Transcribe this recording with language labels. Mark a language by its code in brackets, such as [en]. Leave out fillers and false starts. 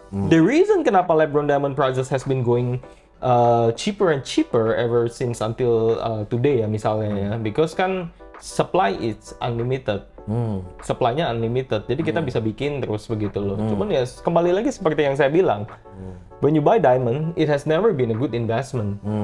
[en] The reason kenapa lab-grown diamond prices has been going cheaper and cheaper ever since until today [id] ya misalnya ya, [en] because kan supply is unlimited. [id] Supply-nya unlimited. Jadi kita bisa bikin terus begitu loh. Cuman ya kembali lagi seperti yang saya bilang. [en] When you buy diamond, it has never been a good investment.